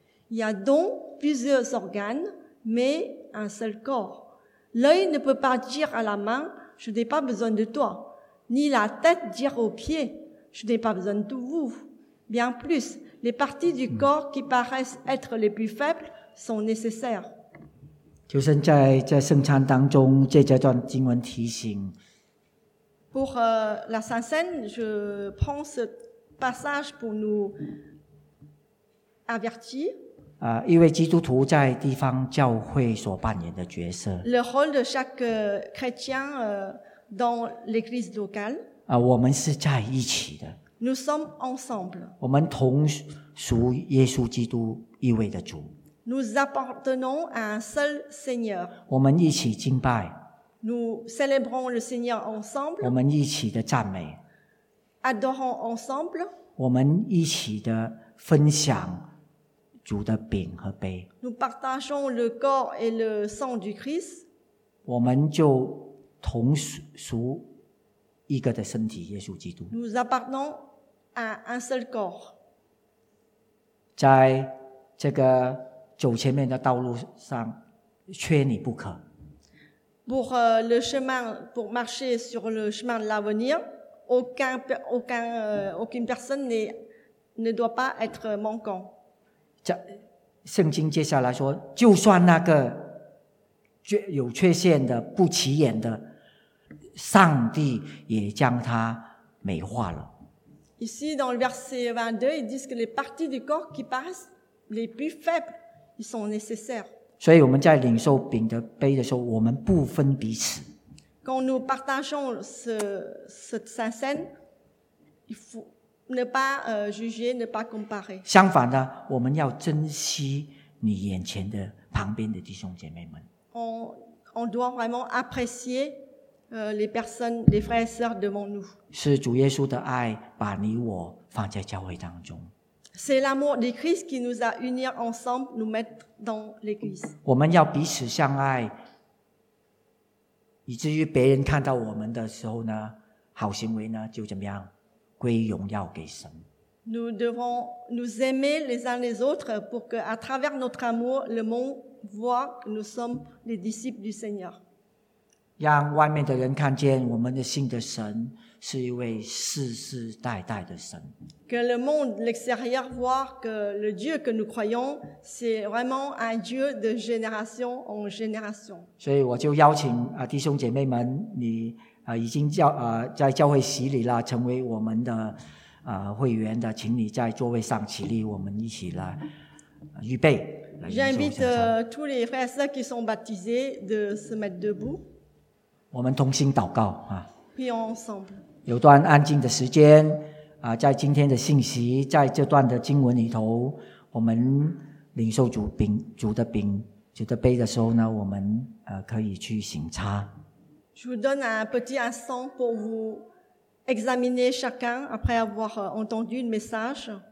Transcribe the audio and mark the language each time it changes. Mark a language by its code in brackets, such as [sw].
[fr] Il y a donc plusieurs organes, mais un seul corps. L'œil ne peut pas dire à la main, je n'ai pas besoin de toi, ni la tête dire aux pieds, je n'ai pas besoin de vous. Bien plus, les parties du corps qui paraissent être les plus faibles sont nécessaires. [zh] 求神在圣餐当中借这段经文提醒。 [fr] Pour la Sainte Cène, je prends ce passage pour nous avertir. [zh] 一位基督徒在地方教会所扮演的角色。 [fr] Le rôle de chaque chrétien dans l'église locale. [zh] 我们是在一起的。 [fr] Nous sommes ensemble. [zh] 我们同属耶稣基督一位的主。 [fr] Nous appartenons à un seul Seigneur. [zh] 我们一起敬拜。 [fr] Nous célébrons le Seigneur ensemble. [zh] 我们一起的赞美。 [fr] Adorons ensemble. [zh] 我们一起的分享主的饼和杯。 [fr] Nous partageons le corps et le sang du Christ. [zh] 我们就同属一个的身体，耶稣基督。 [fr] Nous appartenons à un seul corps. [zh] 在这个走前面的道路上，缺你不可。 [fr] Pour le chemin, pour marcher sur le chemin de l'avenir, aucune personne ne doit pas être manquant. [zh] 圣经接下来说，就算那个有缺陷的、不起眼的，上帝也将它美化了。 [fr] Ici, dans le verset 22, ils disent que les parties du corps qui paraissent les plus faibles. Ils sont nécessaires. [zh] 所以我们在领受饼的杯的时候，我们不分彼此。 [fr] Quand nous partageons cette Sainte-Cène, il faut ne pas juger, ne pas comparer. [zh] 相反的，我们要珍惜你眼前的旁边的弟兄姐妹们。 [fr] On doit vraiment apprécier les personnes, les frères et sœurs devant nous. [zh] 是主耶稣的爱把你我放在教会当中。 [fr] C'est l'amour de Christ qui nous a unis ensemble, nous mettre dans l'église. [zh] 我们要彼此相爱，以至于别人看到我们的时候呢，好行为呢就怎么样，归荣耀给神。 [fr] Nous devons nous aimer les uns les autres pour que, à travers notre amour, le monde voit que nous sommes les disciples du Seigneur. [zh] 让外面的人看见我们的信的神。是一位世世代代的神。 [fr] Que le monde extérieur voit que le Dieu que nous croyons, c'est vraiment un Dieu de génération en génération. [zh] 所以我就邀请弟兄姐妹们，你已经教在教会洗礼了，成为我们的会员的，请你在座位上起立，我们一起来预备。 [fr] J'invite tous les frères et sœurs qui sont baptisés de se mettre debout. [zh] 我们同心祷告啊。 [fr] Ensemble. [zh] 有段安静的时间在今天的信息，在这段的经文里头，我们领受主饼、主的饼、主的杯的时候呢，我们可以去省察。 [fr] Je vous donne un petit instant pour vous examiner chacun après avoir entendu le message.